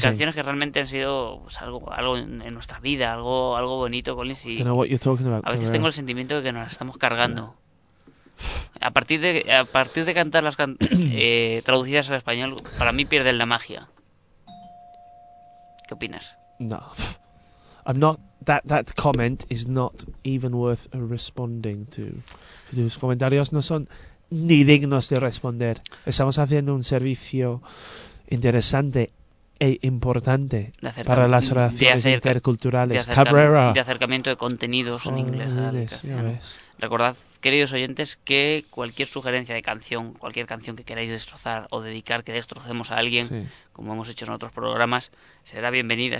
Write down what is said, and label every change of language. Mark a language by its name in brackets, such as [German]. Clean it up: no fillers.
[Spanish] Canciones que realmente han sido algo en nuestra vida, algo bonito, Collins. [English] I don't know what you're talking about, [Spanish] a veces Cabrera. Tengo el sentimiento de que nos las estamos cargando. A partir de cantar las traducidas al español, para mí pierden la magia. ¿Qué opinas? [English] No. I'm not. That comment is not even worth responding to. [Spanish] Tus comentarios no son ni dignos de responder. Estamos haciendo un servicio interesante e importante para las relaciones interculturales. Cabrera. De acercamiento de contenidos en inglés. Recordad, queridos oyentes, que cualquier sugerencia de canción, cualquier canción que queráis destrozar o dedicar que destrocemos a alguien, como hemos hecho en otros programas, será bienvenida.